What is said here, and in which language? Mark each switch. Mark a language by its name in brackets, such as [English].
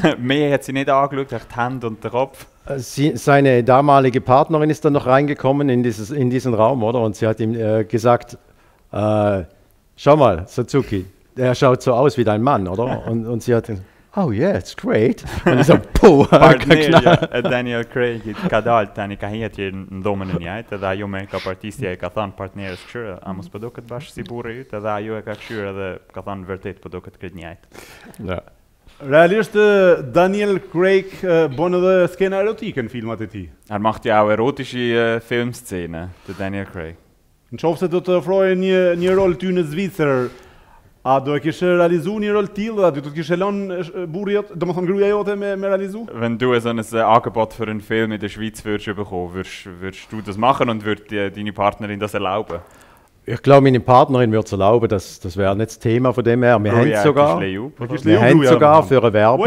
[German] Mehr hat sie nicht angeschaut, die Hände und den Kopf. Seine damalige Partnerin ist dann noch reingekommen in diesen Raum, oder? Und sie hat ihm gesagt, schau mal, Suzuki, er schaut so aus wie dein Mann, oder? Und sie hat gesagt, [English] Oh yeah, it's great. And he's a pull. [Albanian] Daniel Craig ka dal tani ka hjetje në dhomën e njëjt, edhe ajo me ka partisja e ka thën partnerës kshyr, a mos po duket bash si burri yt, edhe ajo e ka kshyr edhe ka thën vërtet po duket krejt njëjt. Realisht Daniel Craig bën edhe skena erotike në filmat e tij. [German] Er macht ja auch erotische Filmszene, der Daniel Craig. [Albanian] Në çfarë se do të ofrojë një rol ty në Zvicër? A do e kishe realizu një rol t'il dhe a do t'kishe lën burjet, do më thonë gruja jote me realizu? [German] Wenn du so ein Angebot für einen Film in der Schweiz würdest bekommen, würdest du das machen und würd deine Partnerin das erlauben? Ich glaube, meine Partnerin würde es erlauben, das wäre nicht das Thema von dem her. Wir haben es sogar, sogar für eine Werbung.